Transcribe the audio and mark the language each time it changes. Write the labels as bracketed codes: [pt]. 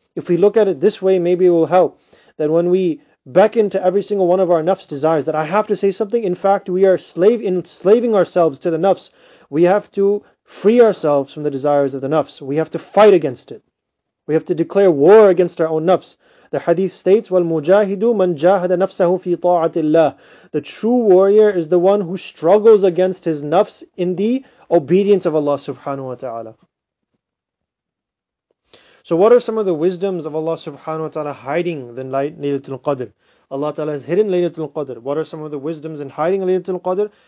[en] If we look at it this way, maybe it will help. That when we beckon to every single one of our nafs desires, that I have to say something. In fact, we are enslaving ourselves to the nafs. We have to free ourselves from the desires of the nafs. We have to fight against it. We have to declare war against our own nafs. The hadith states, [ar] وَالْمُجَاهِدُ مَنْ جَاهَدَ نَفْسَهُ فِي طَاعَةِ اللَّهِ. [en] The true warrior is the one who struggles against his nafs in the obedience of Allah subhanahu wa ta'ala. So what are some of the wisdoms of Allah subhanahu wa ta'ala hiding the Laylatul Qadr? Allah ta'ala has hidden Laylatul Qadr. What are some of the wisdoms in hiding Laylatul Qadr?